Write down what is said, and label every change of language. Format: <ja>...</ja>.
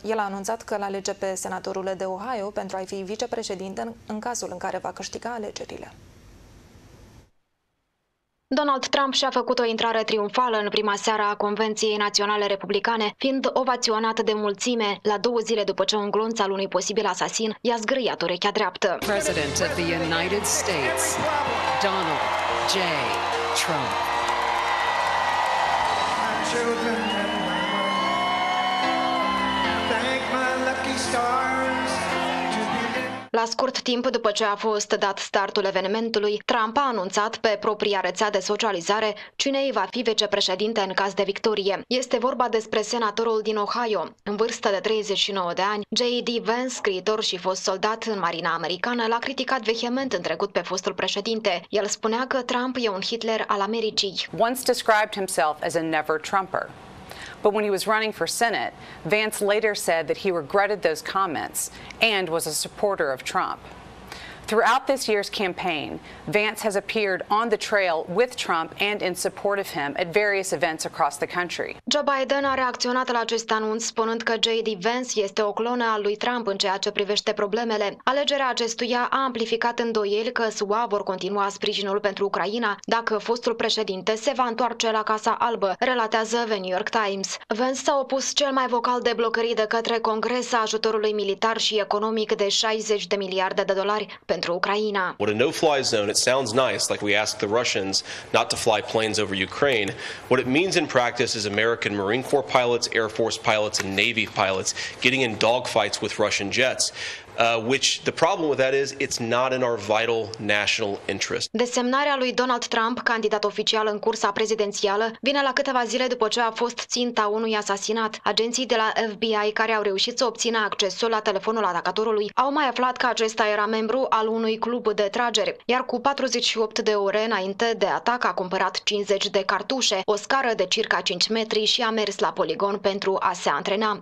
<ro>El a anunțat că l-a alege pe senatorul de Ohio pentru a fi vicepreședinte în cazul în care va câștiga alegerile. Donald Trump și-a făcut o intrare triumfală în prima seară a Convenției Naționale Republicane, fiind ovaționat de mulțime, la două zile după ce un glonț al unui posibil asasin i-a zgâriat urechea dreaptă.</ro> <en>President of the United States, Donald J. Trump. Thank my lucky stars.</en> <ro>La scurt timp după ce a fost dat startul evenimentului, Trump a anunțat pe propria rețea de socializare cine îi va fi vicepreședinte în caz de victorie. Este vorba despre senatorul din Ohio. În vârstă de 39 de ani, J.D. Vance, scriitor și fost soldat în Marina Americană, l-a criticat vehement în trecut pe fostul președinte. El spunea că Trump e un Hitler al Americii.</ro> <en>Once described himself as a never-Trumper. But when he was running for Senate, Vance later said that he regretted those comments and was a supporter of Trump. Throughout this year's campaign, Vance has appeared on the trail with Trump and in support of him at various events across the country.</en> <ro>Joe Biden a reacționat la acest anunț spunând că J.D. Vance este o clonă a lui Trump în ceea ce privește problemele. Alegerea acestuia a amplificat îndoieli că SUA vor continua sprijinul pentru Ucraina dacă fostul președinte se va întoarce la Casa Albă, relatează The New York Times. Vance s-a opus cel mai vocal de blocării de către Congres a ajutorului militar și economic de 60 de miliarde de dolari pentru Ucraina.</ro> <en>What a no-fly zone. It sounds nice, like we asked the Russians not to fly planes over Ukraine. What it means in practice is American Marine Corps pilots, Air Force pilots, and Navy pilots getting in dogfights with Russian jets. Which the problem with that is it's not in our vital national interest.</en> <ro>Desemnarea lui Donald Trump, candidat oficial în cursa prezidențială, vine la câteva zile după ce a fost ținta unui asasinat. Agenții de la FBI care au reușit să obțină accesul la telefonul atacatorului au mai aflat că acesta era membru al unui club de trageri, iar cu 48 de ore înainte de atac a cumpărat 50 de cartușe, o scară de circa 5 metri și a mers la poligon pentru a se antrena.</ro>